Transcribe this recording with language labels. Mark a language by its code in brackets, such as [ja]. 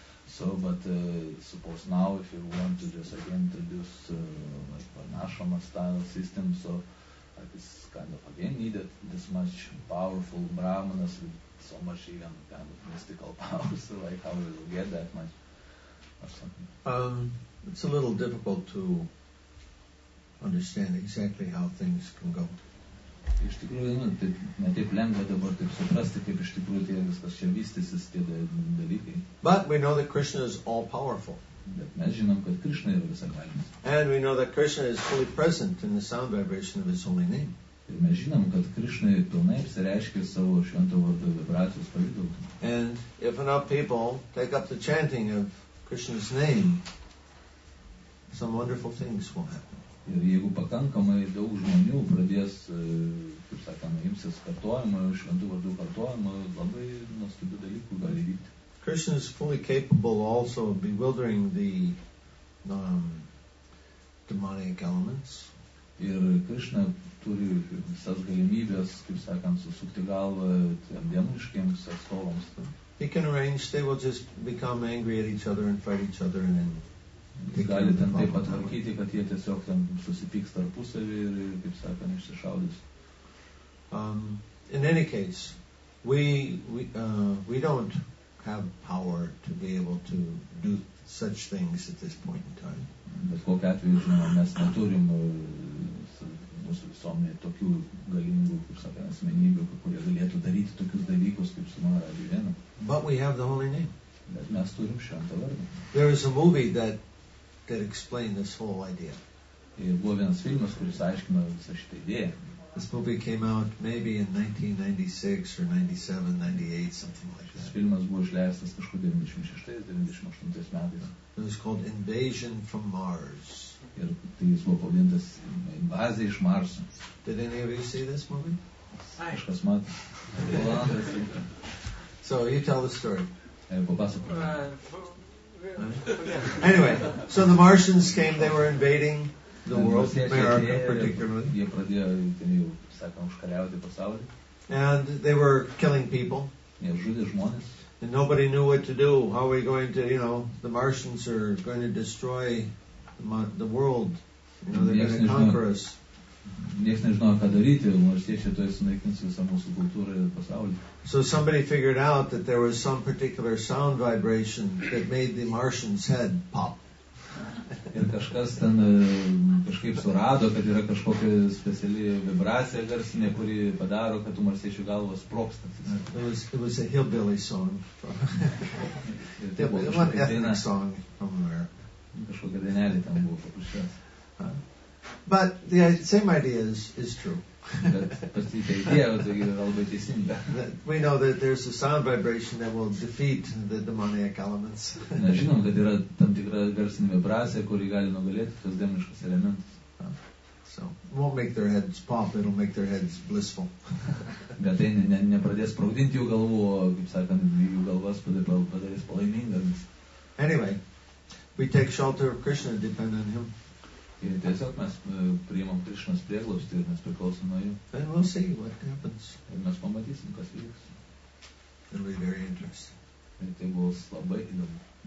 [en] So, but suppose now if you want to just again introduce like Varnashrama style system, so like it's kind of again needed this much powerful Brahmanas with so much even kind of mystical power, so like how will you get that much or something? It's a little difficult to understand exactly how things can go. [lt] Iš tikrųjų, nu, tai ne taip lengva dabar taip suprasti, kaip iš tikrųjų tie viskas čia vystysis tie dalykai. [en] But we know that Krishna is all powerful. [lt] Bet mes žinom, kad Krishna yra visagalis. [en] And we know that Krishna is fully present in the sound vibration of his holy name. [lt] Ir mes žinom, kad Krishna pilnai apsireiškia savo švento vardo vibracijos pavidalu. [en] And if enough people take up the chanting of Krishna's name, some wonderful things will happen. [lt] Ir jeigu pakankamai daug žmonių pradės, kaip sakome, imsis kartuojimo, šventų vardų kartuojimo, labai nuostabių dalykų gali vykti. [en] Krishna is fully capable also of bewildering the demonic elements. [lt] Ir Krishna turi visas galimybės, kaip sakant, susukti galvą tiem demoniškiems atstovams. [en] He can arrange, they will just become angry at each other and fight each other and [lt] jis gali ten taip atvarkyti, kad jie tiesiog ten susipyks tarpusavį ir, kaip sakant, išsišaudys. [en] In any case, we don't have power to be able to do such things at this point in time. [lt] Bet kokiu atveju, žinoma, mes neturim mūsų visuomenė tokių galingų, kaip sakant, asmenybių, kurie galėtų daryti tokius dalykus, kaip su Maharaj Vena. [en] But we have the holy name. [lt] Bet mes turim šventą vardą. [en] There is a movie that explain this whole idea. [lt] Ir buvo vienas filmas, kuris aiškino visą šitą idėją. [en] This movie came out maybe in 1996 or 97, 98, something like that. [lt] Šis filmas buvo išleistas kažkur 96, 98 metais. [en] It was called Invasion from Mars. [lt] Ir tai jis buvo pavadintas Invazija iš Marso. [en] Did any of you see this movie? [lt] Aiškas matas. [en] So, you tell the story. [lt] Papasakok. [en] Anyway, so the Martians came, they were invading the world, America particularly. And they were killing people. And nobody knew what to do. How are we going to, you know, the Martians are going to destroy the world. You know, they're going to conquer us. [lt] Nieks nežinojo, ką daryti, marsiečiai tuoj sunaikins visą mūsų kultūrą ir pasaulį. [en] So somebody figured out that there was some particular sound vibration that made the Martian's head pop. [lt] Ir kažkas ten kažkaip surado, kad yra kažkokia speciali vibracija garsinė, kuri padaro, kad tu marsiečių galvas sproksta. [en] It was a hillbilly song. It was an ethnic song from America. [lt] Kažkokia dainelė ten buvo paprasčiausia. [en] But the same idea is true. We know that there's a sound vibration that will defeat the demoniac elements. So it won't make their heads pop, it'll make their heads blissful. Anyway, we take shelter of Krishna and depend on him. [lt] Ir tiesiog mes priimam Krišnos prieglaustį ir mes priklausom nuo jų. [en] And we'll see what happens. [lt] Ir mes pamatysim, kas vyks. [en] It'll be very interesting. [lt] Ir tai bus labai įdomu.